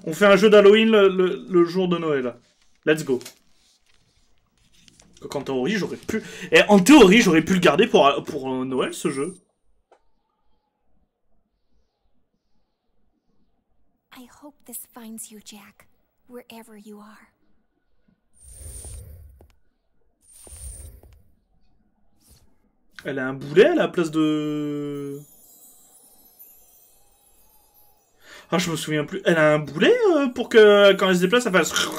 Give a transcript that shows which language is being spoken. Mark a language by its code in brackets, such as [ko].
[fr] On fait un jeu d'Halloween le jour de Noël. [en] Let's go. [fr] Donc, en théorie, j'aurais pu le garder pour Noël, ce jeu. [en] I hope this finds you, Jack, wherever you are. [fr] Elle a un boulet à la place de... Ah, je me souviens plus. Elle a un boulet pour que quand elle se déplace, ça fasse...